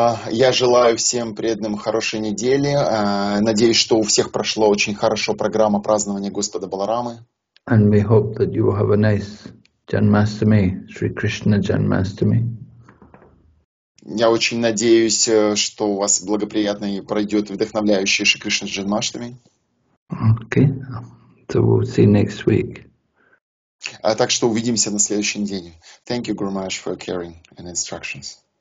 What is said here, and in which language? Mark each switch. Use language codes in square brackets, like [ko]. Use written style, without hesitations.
[ru] Я желаю всем преданным хорошей недели. Надеюсь, что у всех прошло очень хорошо программа празднования Господа Баларамы. [en] And we hope that you will have a nice Janmashtami, Sri Krishna Janmashtami. [ru] Я очень надеюсь, что у вас благоприятно и пройдет вдохновляющий Шри Кришна Джанмаштами. [en] Okay, so we'll see next week. [ru] Так что увидимся на следующей неделе. [en] Thank you, Guru Maharaj, for your caring and instructions.